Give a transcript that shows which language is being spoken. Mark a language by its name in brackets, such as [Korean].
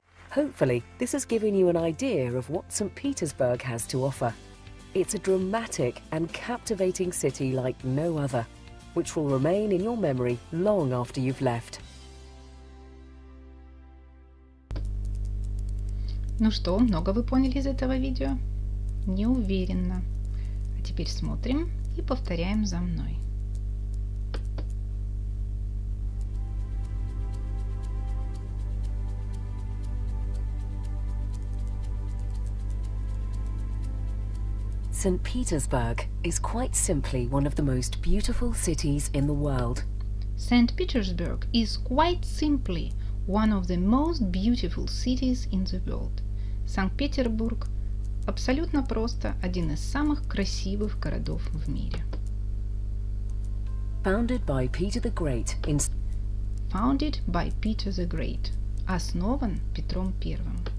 [English] Hopefully, this has given you an idea of what St. Petersburg has to offer. It's a dramatic and captivating city like no other, which will remain in your memory long after you've left. [Russian] Ну что, много вы поняли из этого видео? Не уверена. А теперь смотрим и повторяем за мной. [English] St. Petersburg is quite simply one of the most beautiful cities in the world. St. Petersburg is quite simply one of the most beautiful cities in the world. [Russian] Санкт-Петербург абсолютно просто один из самых красивых городов в мире. [English] Founded by Peter the Great. [Russian] Основан Петром Первым.